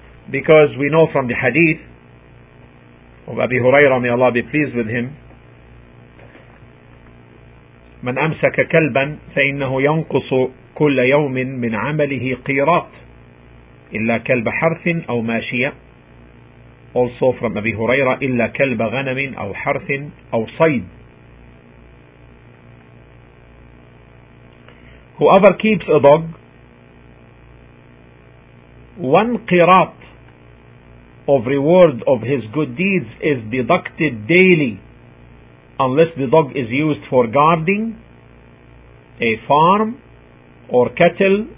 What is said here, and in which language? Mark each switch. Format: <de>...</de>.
<en>Because we know from the hadith of Abi Hurairah, may Allah be pleased with him,</en> <ar>من أمسك كلبا فإنه ينقص كل يوم من عمله قيراط إلا كلب حرث أو ماشية.</ar> <en>Also from Abi Hurairah,</en> <ar>إلا كلب غنم أو حرث أو صيد.</ar> <en>Whoever keeps a dog, one qirat of reward of his good deeds is deducted daily, unless the dog is used for guarding a farm or cattle</en>